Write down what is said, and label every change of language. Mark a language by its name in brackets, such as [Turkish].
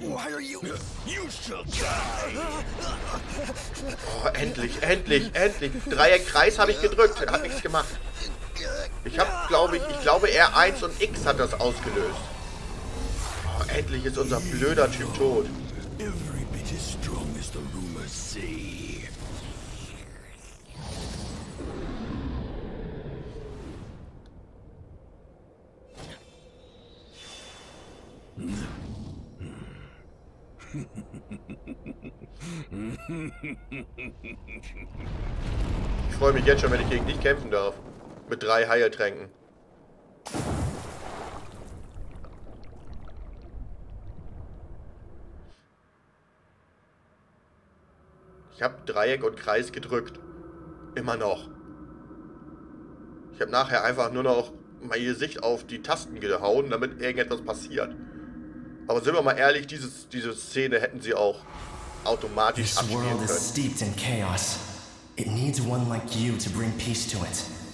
[English] Why are you? You shall die! [German] Oh, endlich. Dreieckkreis habe ich gedrückt, hat nichts gemacht. Ich glaube, R1 und X hat das ausgelöst. Oh, endlich ist unser blöder Typ tot. [English] every bit as strong as the rumors say. [German] Ich freue mich jetzt schon, wenn ich gegen dich kämpfen darf. Mit drei Heiltränken. Ich habe Dreieck und Kreis gedrückt. Immer noch. Ich habe nachher einfach nur noch meine Sicht auf die Tasten gehauen, damit irgendetwas passiert. Aber sind wir mal ehrlich, diese Szene hätten sie auch automatisch abspielen können. [English] This world is steeped in chaos. It needs one like you to bring peace to it.